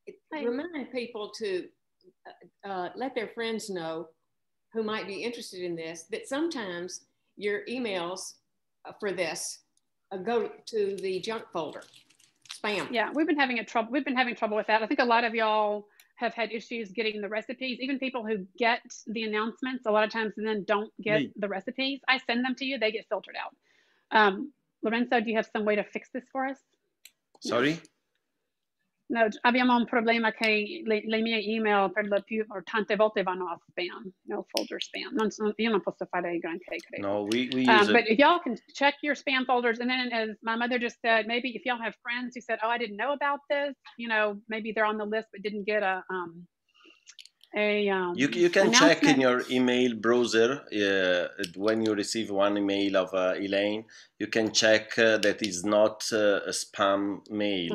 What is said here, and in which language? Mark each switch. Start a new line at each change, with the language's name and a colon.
English: Remind people to let their friends know who might be interested in this, that sometimes your emails for this go to the junk folder, spam. Yeah, we've been having trouble with that. I think a lot of y'all have had issues getting the recipes. Even people who get the announcements a lot of times and then don't get the recipes, I send them to you, they get filtered out. Lorenzo, do you have some way to fix this for us? Sorry?
Italian: No, abbiamo un problema che le mie email per lo più or tante volte vanno a spam, no folder spam. Io non posso fare granché, credo.
English: No, we use But if y'all can check your spam folders, and then as my mother just said, maybe if y'all have friends who said, oh, I didn't know about this, you know, maybe they're on the list but didn't get You can check in your email browser when you receive one email of Elaine, you can check that it's not a spam mail.